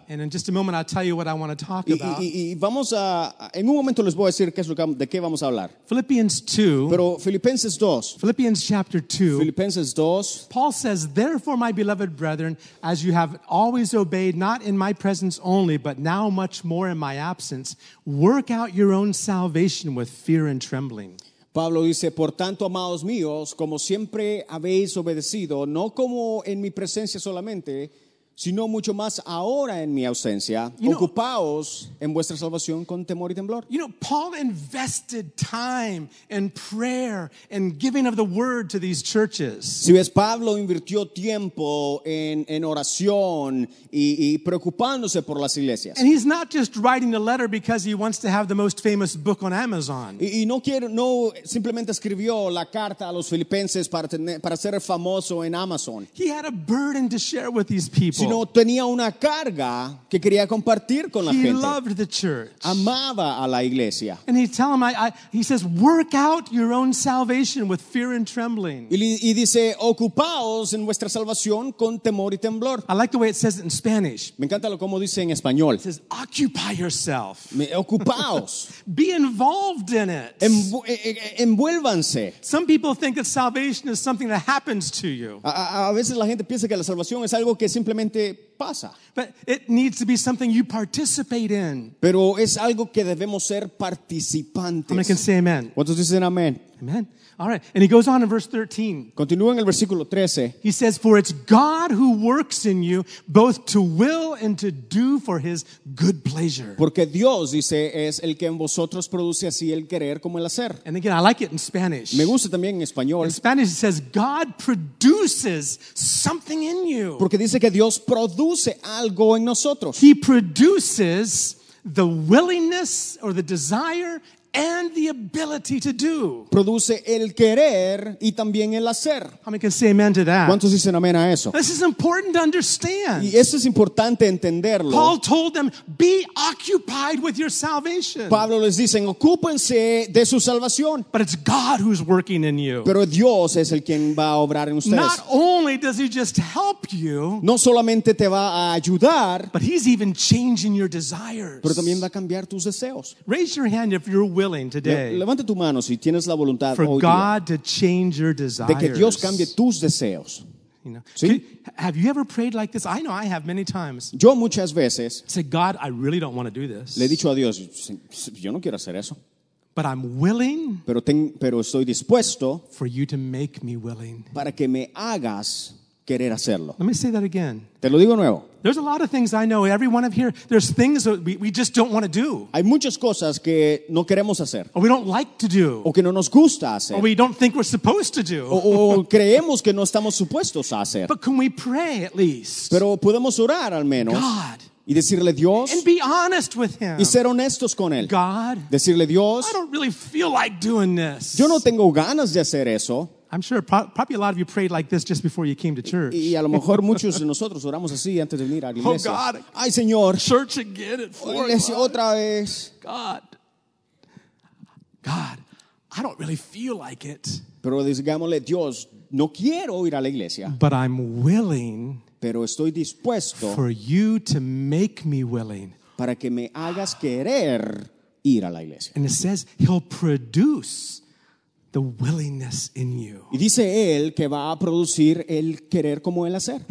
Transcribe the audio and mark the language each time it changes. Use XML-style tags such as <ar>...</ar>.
<en>And in just a moment I'll tell you what I want to talk about.</en> <es>Y vamos a, en un momento les voy a decir qué es lo que, de qué vamos a hablar.</es> <en>Philippians 2.</en> <es>Pero Filipenses 2.</es> <en>Philippians chapter 2.</en> <es>Filipenses 2.</es> <en>Paul says, therefore my beloved brethren, as you have always obeyed, not in my presence only, but now much more in my absence, work out your own salvation with fear and trembling.</en> <es>Pablo dice, por tanto, amados míos, como siempre habéis obedecido, no como en mi presencia solamente, sino mucho más ahora en mi ausencia, ocupaos en vuestra salvación con temor y temblor.</es> <en>You know, Paul invested time and prayer and giving of the word to these churches.</en> <es>Si ves, Pablo invirtió tiempo en oración y preocupándose por las iglesias.</es> <en>And he's not just writing the letter because he wants to have the most famous book on Amazon.</en> <es>Y no quiere, no simplemente escribió la carta a los filipenses para tener, para ser famoso en Amazon.</es> <en>He had a burden to share with these people.</en> <es>Sino tenía una carga que quería compartir con la</es> <en>he</en> <es>gente.</es> <en>Loved the church.</en> <es>Amaba a la iglesia.</es> <en>And he tell him, he says, work out your own salvation with fear and trembling.</en> <es>Y dice, ocupaos en vuestra salvación con temor y temblor.</es> <en>I like the way it says it in Spanish.</en> <es>Me encanta lo como dice en español.</es> <en>It says, occupy yourself.</en> <es>Ocupaos.</es> <en>Be involved in it.</en> <es>Envuélvanse.</es> <en>Some people think that salvation is something that happens to you.</en> <es>A veces la gente piensa que la salvación es algo que simplemente pasa.</es> <en>But it needs to be something you participate in.</en> <es>Pero es algo que debemos ser participantes.</es> <en>How many can say amen?</en> <es>¿Cuántos dicen amén?</es> <en>Amen. All right. And he goes on in verse 13.</en> <es>Continúa en el versículo 13.</es> <en>He says, for it's God who works in you both to will and to do for his good pleasure.</en> <es>Porque Dios, dice, es el que en vosotros produce así el querer como el hacer.</es> <en>And again, I like it in Spanish.</en> <es>Me gusta también en español.</es> <en>In Spanish it says, God produces something in you.</en> <es>Porque dice que Dios produce algo en nosotros.</es> <en>He produces the willingness or the desire and the ability to do.</en> <es>Produce el querer y también el hacer.</es> <en>How many can say amen to that?</en> <es>¿Cuántos dicen amén a eso?</es> <en>This is important to understand.</en> <es>Y eso es importante entenderlo.</es> <en>Paul told them, be occupied with your salvation.</en> <es>Pablo les dice, ocúpense de su salvación.</es> <en>But it's God who's working in you.</en> <es>Pero Dios es el quien va a obrar en ustedes.</es> <en>Not only does he just help you,</en> <es>no solamente te va a ayudar,</es> <en>but he's even changing your desires.</en> <es>Pero también va a cambiar tus deseos.</es> <en>Raise your hand if you're willing today.</en> <es>Levanta tu mano si tienes la voluntad</es> <en>for God to change your desires.</en> <es>De que Dios cambie tus deseos.</es> <en>You know, have you ever prayed like this? I know I have many times.</en> <es>Yo muchas veces.</es> <en>Say, God, I really don't want to do this.</en> <es>Le he dicho a Dios, yo no quiero hacer eso.</es> <en>But I'm willing.</en> <es>Pero estoy dispuesto.</es> <en>For you to make me willing.</en> <es>Para que me hagas querer hacerlo.</es> <en>Let me say that again.</en> <es>Te lo digo nuevo.</es> <en>There's a lot of things I know. Every one of here, there's things that we just don't want to do.</en> <es>Hay muchas cosas que no queremos hacer.</es> <en>Or we don't like to do.</en> <es>O que no nos gusta hacer.</es> <en>Or we don't think we're supposed to do.</en> <es>O creemos que no estamos supuestos a hacer.</es> <en>But can we pray at least?</en> <es>Pero podemos orar al menos.</es> <en>God.</en> <es>Y decirle Dios.</es> <en>And be honest with him.</en> <es>Y ser honestos con él.</es> <en>God.</en> <es>Decirle Dios.</es> <en>I don't really feel like doing this.</en> <es>Yo no tengo ganas de hacer eso.</es> <en>I'm sure probably a lot of you prayed like this just before you came to church.</en> <es>Y a lo mejor muchos de nosotros oramos así antes de venir a la iglesia.</es> <en>Oh God,</en> <es>ay Señor,</es> <en>church again at 4 o'clock.</en> <es>Otra vez.</es> <en>God, I don't really feel like it.</en> <es>Pero digámosle, Dios, no quiero ir a la iglesia.</es> <en>But I'm willing.</en> <es>Pero estoy dispuesto.</es> <en>For you to make me willing.</en> <es>Para que me hagas querer ir a la iglesia.</es> <en>And it says he'll produce the willingness in you.</en> <es>Y dice él que va a producir el querer como el hacer.</es>